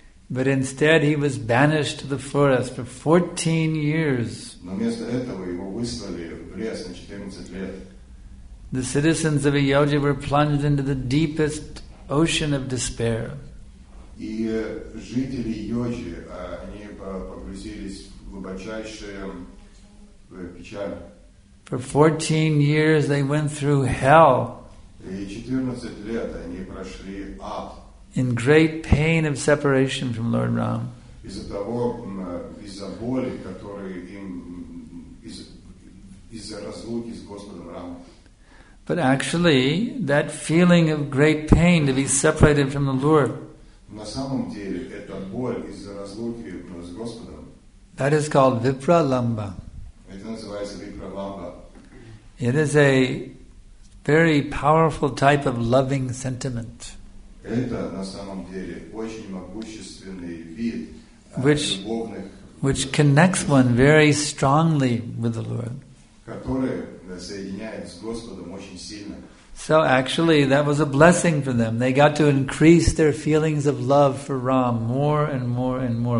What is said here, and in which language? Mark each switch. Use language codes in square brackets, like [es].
[en] But instead he was banished to the forest for 14 years. [ru] Но вместо этого его выслали в лес на 14 лет. [en] The citizens of Ayodhya were plunged into the deepest ocean of despair. [ru] И жители Йоджи, они погрузились в глубочайшую печаль. [en] For 14 years they went through hell. [ru] И 14 лет они прошли ад. [en] In great pain of separation from Lord Ram. [ru] Из-за того, из-за боли, которые им из-за разлуки с Господом Рамом. [en] But actually, that feeling of great pain to be separated from the Lord. [ru] На самом деле, это боль из-за разлуки с Господом. [en] That is called vipralamba. [ru] Это называется vipralamba. [en] It is a very powerful type of loving sentiment. [ru] Это на самом деле очень могущественный вид [en] which connects one very strongly with the Lord. [ru] Который соединяет с Господом очень сильно. [en] So actually, that was a blessing for them. They got to increase their feelings of love for Ram more and more and more.